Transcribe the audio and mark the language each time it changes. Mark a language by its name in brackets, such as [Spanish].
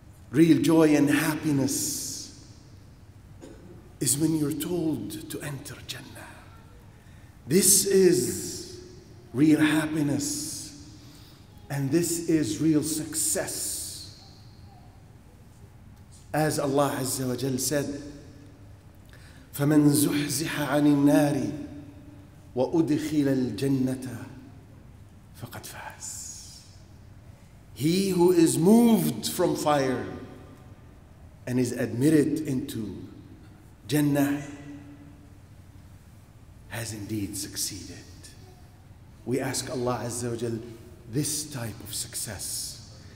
[English] Real joy and happiness is when you're told to enter Jannah. This is real happiness, and this is real success. As Allah Azza wa Jalla said, [Arabic] فَمَنْ زُحْزِحَ عَنِ النَّارِ وَأُدْخِلَ الْجَنَّةَ فَقَدْ فَازَ. [English] He who is moved from fire and is admitted into Jannah has indeed succeeded. We ask Allah Azza wa Jal this type of success.